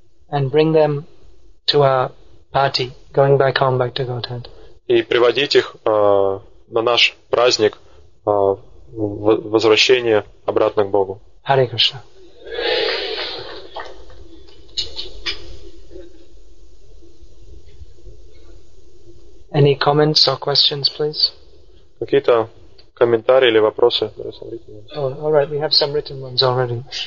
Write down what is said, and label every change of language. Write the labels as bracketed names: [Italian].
[English] And bring them to our party, going back home, back to Godhead. [Russian] И приводить их на наш праздник возвращения обратно к Богу. Харе Кришна. [English] Any comments or questions, please? [Russian] Какие-то комментарии или вопросы? [English] Oh, all right, we have some written ones already.